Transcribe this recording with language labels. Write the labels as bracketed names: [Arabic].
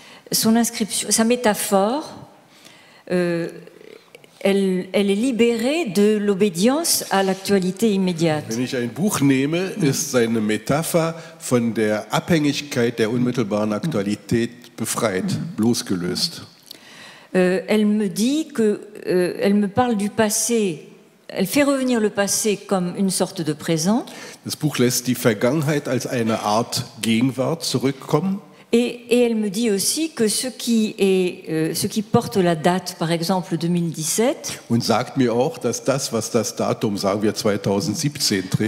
[French] Son inscription, sa métaphore, elle est libérée de l'obédience à l'actualité immédiate. [German] Wenn ich ein Buch nehme, ist seine Metapher von der Abhängigkeit der unmittelbaren Aktualität befreit, losgelöst. [French] Elle me dit que, elle me parle du passé Elle fait revenir le passé comme une sorte de présent. [German] Das Buch lässt die Vergangenheit als eine Art Gegenwart zurückkommen. [French] Et elle me dit aussi que ce qui porte la date, par exemple 2017, [German] und sagt mir auch, dass das, was das Datum, sagen wir 2017, trägt,